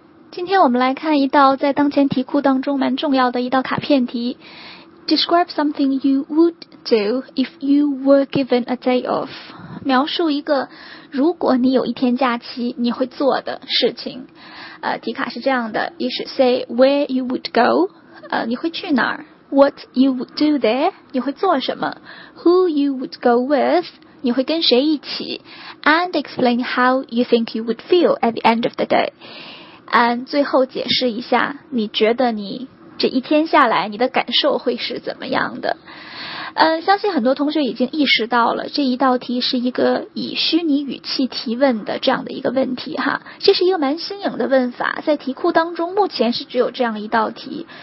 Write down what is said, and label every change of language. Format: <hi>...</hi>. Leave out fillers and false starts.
<zh>今天我们来看一道在当前题库当中蛮重要的一道卡片题。</zh> <en>Describe something you would do if you were given a day off.</en> <zh>描述一个如果你有一天假期你会做的事情。题卡是这样的，</zh> <en>You should say where you would go.</en> <zh>你会去哪儿？</zh> <en>What you would do there.</en> <zh>你会做什么？</zh> <en>Who you would go with.</en> <zh>你会跟谁一起？</zh> <en>And explain how you think you would feel at the end of the day.</en> <zh>And 最后解释一下你觉得你这一天下来你的感受会是怎么样的。相信很多同学已经意识到了这一道题是一个以虚拟语气提问的这样的一个问题哈。这是一个蛮新颖的问法，在题库当中目前是只有这样一道题。</zh>